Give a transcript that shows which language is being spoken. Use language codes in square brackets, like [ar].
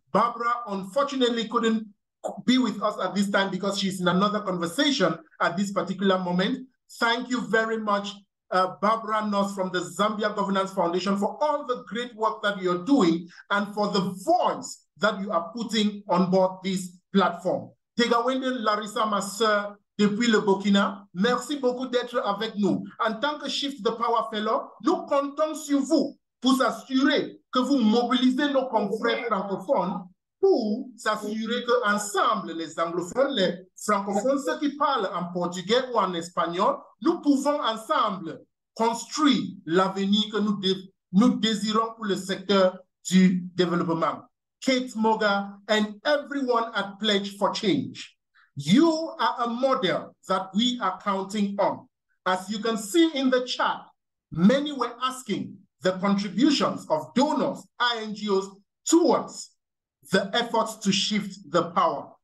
[en] Barbara, unfortunately, couldn't be with us at this time because she's in another conversation at this particular moment. Thank you very much, Barbara North from the Zambia Governance Foundation, for all the great work that you're doing and for the voice that you are putting on board this platform. [fr] Tegawende Larissa Masseur, depuis le Burkina, merci beaucoup d'être avec nous. En tant que Shift the Power Fellow, nous comptons sur vous pour s'assurer que vous mobilisez nos confrères francophones pour s'assurer que ensemble, les anglophones, les francophones, ceux qui parlent en portugais ou en espagnol, nous pouvons ensemble construire l'avenir que nous désirons pour le secteur du développement. [en] Kate Moga, and everyone at Pledge for Change. You are a model that we are counting on. As you can see in the chat, many were asking the contributions of donors, INGOs, towards the efforts to shift the power.